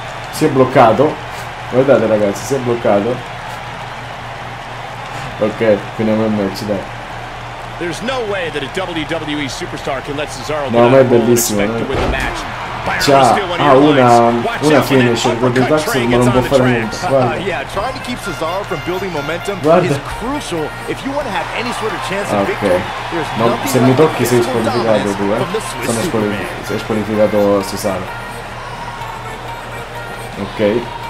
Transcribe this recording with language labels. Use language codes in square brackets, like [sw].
[it] Si è bloccato, guardate ragazzi, si è bloccato. Ok, finiamo il match, dai. [en] There's no way that a WWE superstar can let Cesaro win. [it] No, ma è bellissimo, no? C'ha una finish con il Axel, ma non può fare niente. Guarda. [en] Trying to keep Cesaro from building momentum is crucial if you want to have any sort of chance of victory. [it] No, se mi tocchi sei squalificato tu, sei squalificato Cesaro. Ok.